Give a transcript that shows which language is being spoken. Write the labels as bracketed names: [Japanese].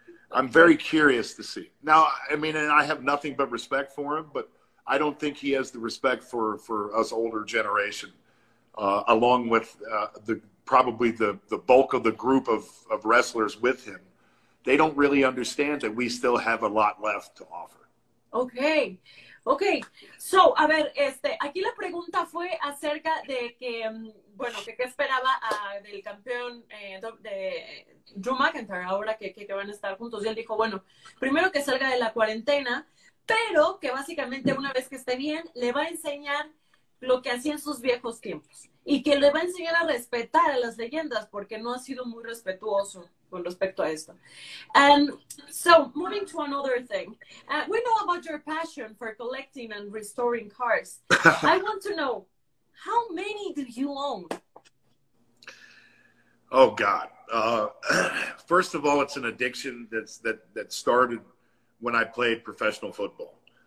[English] I'm very curious to see. Now, I mean, and I have nothing but respect for him, but I don't think he has the respect for us older generation, along with probably the bulk of the group of wrestlers with him. They don't really understand that we still have a lot left to offer. Okay. Okay, so, [Spanish] a ver, aquí la pregunta fue acerca de que, bueno, que esperaba del campeón de Drew McIntyre, ahora que van a estar juntos. Y él dijo, bueno, primero que salga de la cuarentena, pero que básicamente una vez que esté bien, le va a enseñar lo que hacía en sus viejos tiempos. Y que le va a enseñar a respetar a las leyendas, porque no ha sido muy respetuoso con respecto a esto. [English] And so, moving to another thing. We know about your passion for collecting and restoring cars. I want to know, how many do you own? Oh, God. First of all, it's an addiction that started when I played professional football.